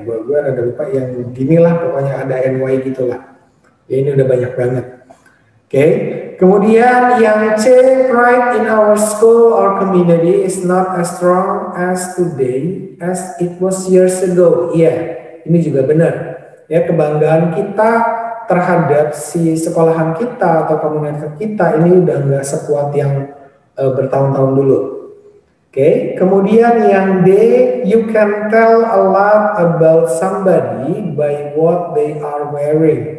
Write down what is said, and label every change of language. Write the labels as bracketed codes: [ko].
[id] Gua rada lupa yang ginilah pokoknya ada NY gitulah. Ya ini udah banyak banget. Oke. Kemudian yang C, [en] pride in our school or community is not as strong as today as it was years ago. [id] Iya, ini juga benar. Ya, kebanggaan kita terhadap si sekolahan kita atau komunitas kita ini udah nggak sekuat yang bertahun-tahun dulu. Oke, kemudian yang D, [en] you can tell a lot about somebody by what they are wearing.